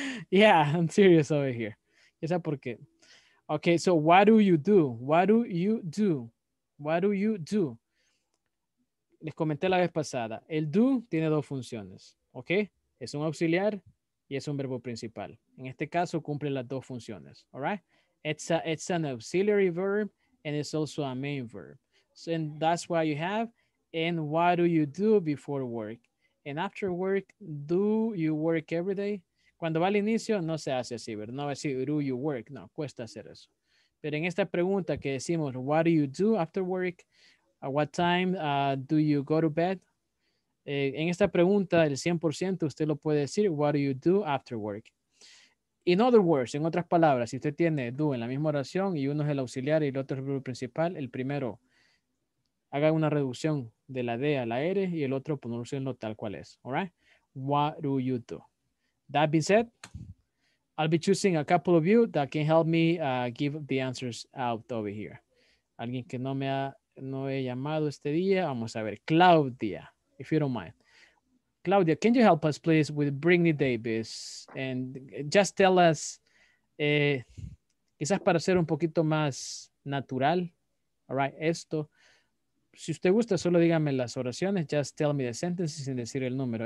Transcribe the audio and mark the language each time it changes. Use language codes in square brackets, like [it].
[en] Yeah, I'm serious over here. [es] ¿Esa por qué? [en] Okay, so what do you do? What do you do? What do you do? [es] Les comenté la vez pasada. El do tiene dos funciones, ¿ok? Es un auxiliar y es un verbo principal. En este caso cumple las dos funciones, [en] all right? It's an auxiliary verb and it's also a main verb. So and that's why you have and what do you do before work? And after work, do you work every day? [es] Cuando va al inicio no se hace así, ¿verdad? No va a decir [en] do you work, [es] no, cuesta hacer eso. Pero en esta pregunta que decimos [en] what do you do after work? At what time do you go to bed? [es] En esta pregunta el 100% usted lo puede decir [en] what do you do after work? In other words, [es] en otras palabras, si usted tiene do en la misma oración y uno es el auxiliar y el otro es el verbo principal, el primero haga una reducción de la D a la R y el otro pronunciarlo tal cual es. [en] All right? What do you do? That being said, I'll be choosing a couple of you that can help me give the answers out over here. [es] Alguien que no he llamado este día, vamos a ver. [en] Claudia, if you don't mind. Claudia, can you help us, please, with Brittany Davis? And just tell us, [es] quizás para ser un poquito más natural, [en] all right, [es] esto. Si usted gusta, solo dígame las oraciones. [en] Just tell me the sentences [es] sin decir el número.